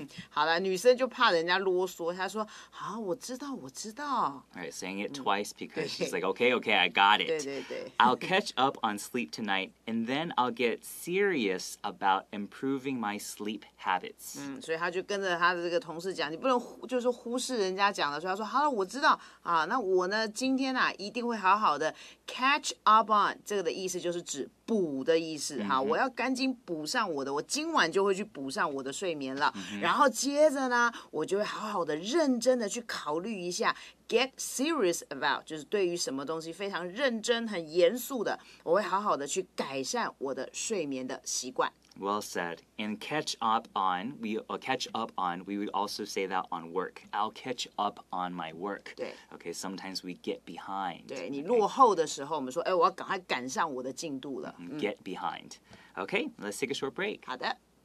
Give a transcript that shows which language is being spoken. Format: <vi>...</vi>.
<zh>好啦，女生就怕人家啰嗦，她说，好，我知道，我知道。</zh> <en>Right, saying it twice because she's like, okay, okay, I got it.</en> <zh>对对对。</zh> <en>I'll catch up on sleep tonight, and then I'll get serious about improving my sleep habits.</en> <zh>嗯，所以她就跟着她的这个同事讲，你不能就是忽视人家讲的，所以她说，好啦，我知道，啊，那我呢，今天啊，一定会好好的 catch up on, 这个的意思就是指补的意思，好，我要赶紧补上我的，我今晚就会去补上我的睡眠了。然后接着呢，我就会好好的、认真的去考虑一下 ，get serious about， 就是对于什么东西非常认真、很严肃的，我会好好的去改善我的睡眠的习惯。</zh> <en>Well said. And catch up on, we would also say that on work. I'll catch up on my work.</en> <zh>对。</zh> <en>Okay, sometimes we get behind.</en> <zh>对，你落后的时候，我们说，哎，我要赶快赶上我的进度了。</zh> <en>Get behind. Okay, let's take a short break.</en> <zh>好的。</zh>